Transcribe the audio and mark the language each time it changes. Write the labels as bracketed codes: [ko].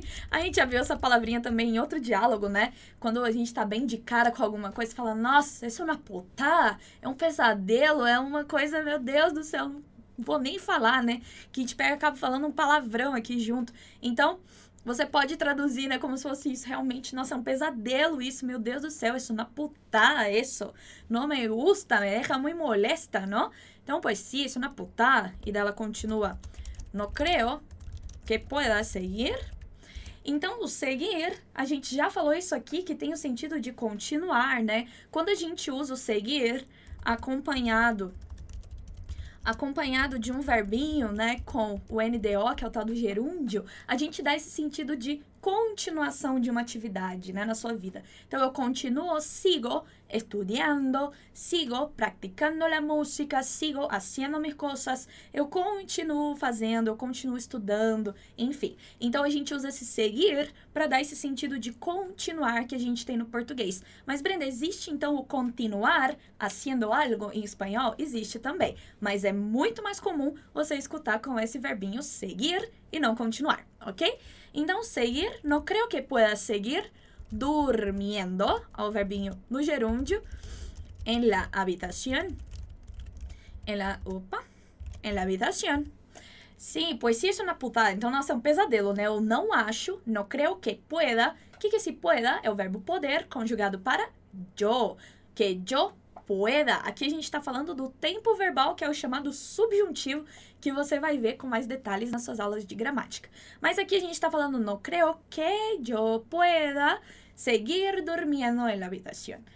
[pt] A gente já viu essa palavrinha também em outro diálogo, né? Quando a gente tá bem de cara com alguma coisa, fala, nossa, [es] es una putada, [pt] é um pesadelo, é uma coisa, meu Deus do céu, não vou nem falar, né? Que a gente pega e acaba falando um palavrão aqui junto. Então, você pode traduzir, né, como se fosse isso realmente, nossa, é um pesadelo isso, meu Deus do céu, [es] es una putada, eso. No me gusta, me deja muy molesta, ¿no? [pt] Então, pois sim, isso na puta. E dela continua, [es] no creo que pueda seguir. [pt] Então, o seguir, a gente já falou isso aqui, que tem o sentido de continuar, né? Quando a gente usa o seguir acompanhado de um verbinho, né, com o NDO, que é o tal do gerúndio, a gente dá esse sentido de continuação de uma atividade, né, na sua vida. Então, eu continuo, [es] sigo estudiando, sigo practicando la música, sigo haciendo mis cosas, [pt] eu continuo fazendo, eu continuo estudando, enfim. Então, a gente usa esse seguir para dar esse sentido de continuar que a gente tem no português. Mas, Brenda, existe, então, o [es] continuar haciendo algo [pt] em espanhol? Existe também. Mas é muito mais comum você escutar com esse verbinho seguir e não continuar, ok? [es] Então, seguir, no creo que pueda seguir durmiendo, [pt] ao verbinho no gerúndio, [es] en la habitación, en la habitación. [pt] Sim, pois isso é uma putada, então, nossa, é um pesadelo, né? Eu não acho, [es] no creo que pueda, [pt] que se pueda é o verbo poder conjugado para yo, [es] que yo pueda. [pt] Aqui a gente está falando do tempo verbal, que é o chamado subjuntivo, que você vai ver com mais detalhes nas suas aulas de gramática. Mas aqui a gente está falando [es] no creo que yo pueda seguir durmiendo en la habitación.